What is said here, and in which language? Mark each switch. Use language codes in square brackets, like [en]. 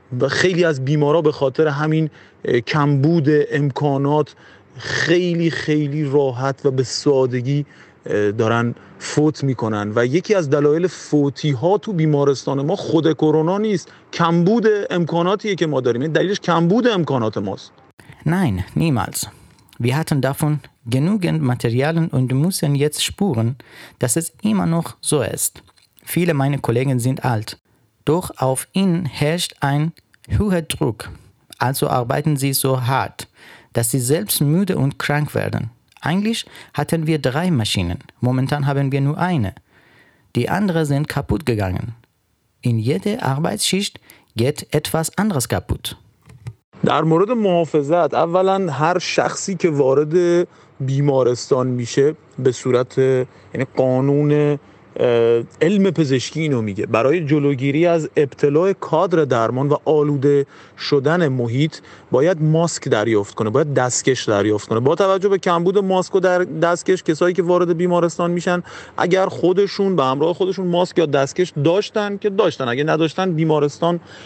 [fa] خیلی از بیمارا به خاطر همین کمبود امکانات خیلی خیلی راحت و به سادگی دارن فوت میکنن و یکی از دلایل فوتی ها تو بیمارستان ما خود کرونا نیست، کمبود امکاناتیه که ما داریم. دلیلش کمبود امکانات ماست. [de] Nein, niemals. Wir hatten davon genügend Materialien und müssen jetzt spüren, dass es immer noch so ist. Viele meiner Kollegen sind alt. Doch auf ihnen herrscht ein hoher Druck. Also arbeiten sie so hart, dass sie selbst müde und krank werden. Eigentlich hatten wir drei Maschinen. Momentan haben wir nur eine. die anderen sind kaputt gegangen. In jede Arbeitsschicht geht etwas anderes kaputt. [fa] در مورد محافظت اولا هر شخصی که وارد بیمارستان میشه به صورت یعنی قانون علم پزشکی اینو میگه برای جلوگیری از ابتلا کادر درمان و آلوده شدن محیط باید ماسک دریافت کنه باید دستکش دریافت کنه با توجه به کمبود ماسک و دستکش کسایی که وارد بیمارستان میشن اگر خودشون به همراه خودشون ماسک یا دستکش داشتن که داشتن اگه نداشتن بیمارستان